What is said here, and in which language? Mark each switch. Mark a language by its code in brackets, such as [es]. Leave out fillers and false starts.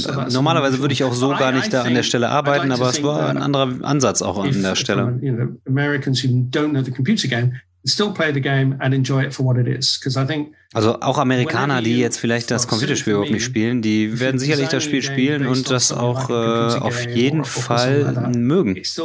[de] Normalerweise würde ich auch so gar nicht da an der Stelle arbeiten, aber es war ein anderer Ansatz auch an der Stelle. [en] Americans who don't know the computer game still play the game and enjoy it for what it is, because I think. [de] Also auch Amerikaner, die jetzt vielleicht das Computerspiel überhaupt nicht spielen, die werden sicherlich das Spiel spielen und das auch auf jeden Fall mögen.